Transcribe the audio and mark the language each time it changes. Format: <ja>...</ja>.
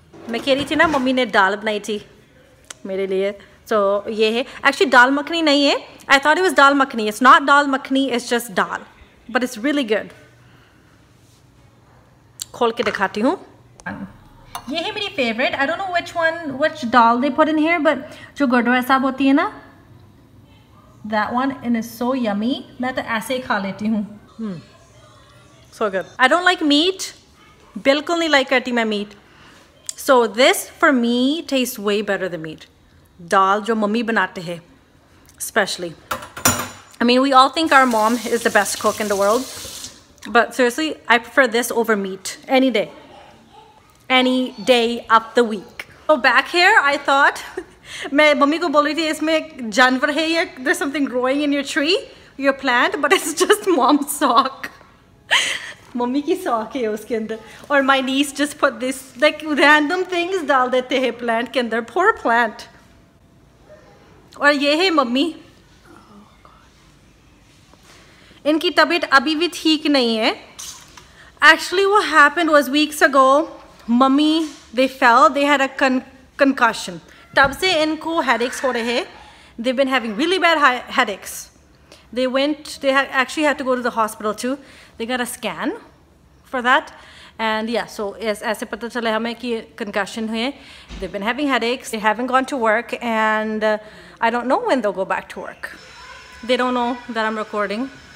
<hi>मैं कह रही थी ना मम्मी ने दाल बनाई थी मेरे लिए. So ये है. Actually दाल मखनी नहीं है.</hi> <en>I thought it was dal makhani. It's not dal makhani. It's just dal. But it's really good.</en> <hi>खोल के दिखाती हूँ. ये है मेरी favorite.</hi> <en>I don't know which one, which dal they put in here, but</en> <hi>जो गुड़वा साब होती है ना,</hi> <en>that one and it's so yummy.</en> <hi>मैं तो ऐसे ही खा लेती हूँ.</hi> <en>So good. I don't like meat.</en> <hi>बिल्कुल नहीं like करती मैं meat.</hi> <en>So this for me tastes way better than meat.</en> <hi>दाल जो मम्मी बनाते हैं especially.</hi> <en>I mean we all think our mom is the best cook in the world. But seriously, I prefer this over meat any day. Any day of the week. So back here I thought</en> <hi>मैं mummy को बोल रही थी इसमें एक जानवर है या</hi> <en>there's something growing in your tree, your plant, but it's just mom's sock.</en> <hi>Mummy की सॉक है उसके अंदर. और</hi> <en>my niece just put this like random things</en> <hi>डाल देते हैं प्लांट के अंदर. पोर प्लांट. और ये है मम्मी. इनकी तबीयत अभी भी ठीक नहीं है.</hi> <en>Actually what happened was weeks ago mummy they fell they had a concussion.</en> <hi>तब से इनको हेडेक्स हो रहे हैं.</hi> <en>They been having really bad headaches. They went, they actually had to go to the hospital too. They got a scan for that. And yeah, so</en> <hi>aise pata chale hame ki</hi> <en>concussion hai. They've been having headaches. They haven't gone to work. And I don't know when they'll go back to work. They don't know that I'm recording.</en>